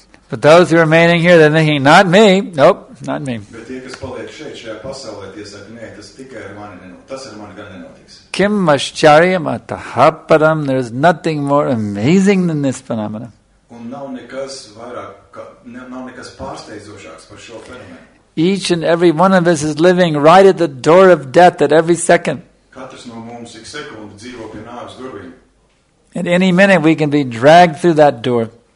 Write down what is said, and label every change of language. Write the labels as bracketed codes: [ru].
[en] But those who are remaining here, they're thinking, not me, nope, not me. [lv] Bet tie, kas paliek šeit, šajā pasaulē, tie saka, nē, tas tikai ar mani nenotiks, tas ar mani gan nenotiks. [sa] Kim mascharyam atahaparam, [en] there is nothing more amazing than this phenomena. [lv] Un nav nekas vairāk, nav nekas pārsteidzošāks par šo fenomenu. [en] Each and every one of us is living right at the door of death at every second. [lv] Katrs no mums ik sekundi dzīvo pie nāves durvīm. [en] At any minute we can be dragged through that door.